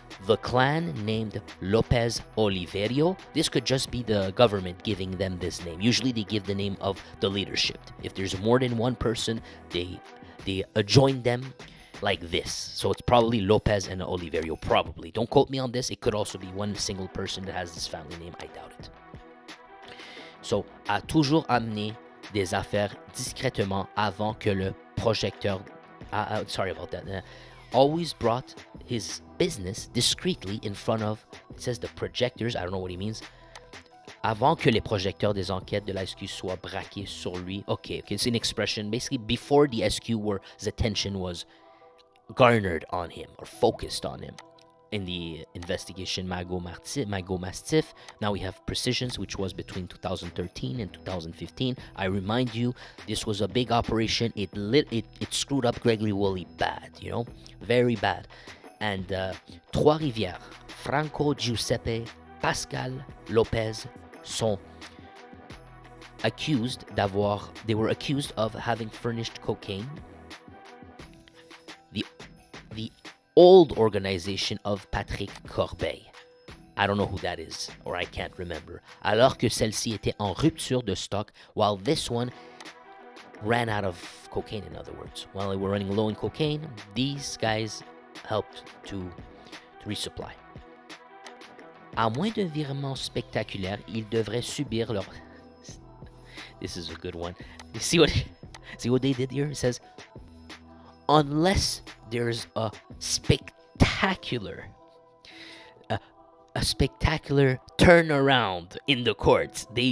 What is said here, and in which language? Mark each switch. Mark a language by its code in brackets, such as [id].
[en] The clan named Lopez Oliverio, this could just be the government giving them this name. Usually they give the name of the leadership. If there's more than one person, they adjoin them like this. So it's probably Lopez and Oliverio, probably. Don't quote me on this. It could also be one single person that has this family name. I doubt it. [fr] So, a toujours amené des affaires discrètement avant que le projecteur... [en] sorry about that. Always brought his business discreetly in front of... It says the projectors. I don't know what he means. [fr] Avant que les projecteurs des enquêtes de la SQ soient braqués sur lui. [en] Okay, okay. It's an expression. Basically, before the SQ, where his attention was garnered on him or focused on him in the investigation Mago Mastiff. Now we have Precisions, which was between 2013 and 2015. I remind you, this was a big operation. It screwed up Gregory Woolley bad, you know, very bad. And Trois-Rivières, Franco Giuseppe Pascal Lopez [fr] sont accused d'avoir, [en] they were accused of having furnished cocaine. The old organization of Patrick Corbeil. I don't know who that is, or I can't remember. [fr] Alors que celle-ci était en rupture de stock, [en] while this one ran out of cocaine, in other words. While they were running low in cocaine, these guys helped to resupply. [fr] À moins d'un virement spectaculaire, ils devraient subir leur... [en] This is a good one. You see what, they did here? It says, unless... There's a spectacular turnaround in the courts.